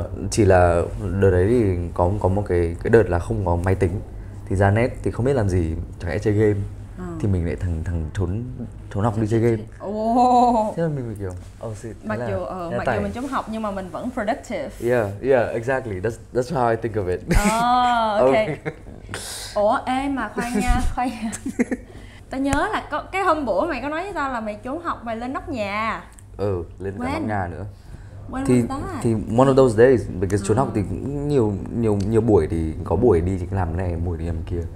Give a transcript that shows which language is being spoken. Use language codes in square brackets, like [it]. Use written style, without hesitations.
[vi] Chỉ là đợt đấy thì có một cái đợt là không có máy tính thì ra net thì không biết làm gì, chẳng lẽ chơi game. Oh. Thì mình lại thằng trốn học đi chơi game. Oh. Thế là mình kiểu [en] oh shit. [vi] Mặc dù mình trốn học nhưng mà mình vẫn productive. [en] Yeah exactly, that's how I think of it. [vi] Okay. Ủa, ê mà khoan nha. Tao nhớ là cái hôm bữa mày có nói với tao là mày trốn học mày lên nóc nhà. Ừ, lên cả nóc nhà nữa. [en] When [vi] thì [en] was that? [vi] Thì [en] one of those days, because [vi] trốn học thì nhiều buổi thì có buổi đi làm này, buổi đi làm kia.